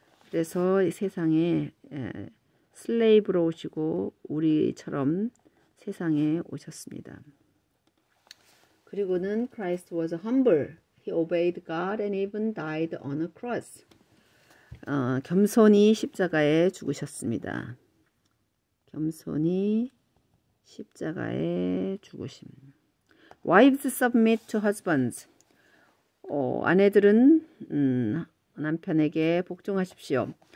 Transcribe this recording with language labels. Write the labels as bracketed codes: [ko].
[ko] 그래서 이 세상에 슬레이브로 오시고 우리처럼 세상에 오셨습니다. 그리고는 [en] Christ was humble. He obeyed God and even died on a cross. [ko] 겸손히 십자가에 죽으셨습니다. 겸손히 십자가에 죽으심. [en] Wives submit to husbands. [ko] 아내들은 남편에게 복종하십시오.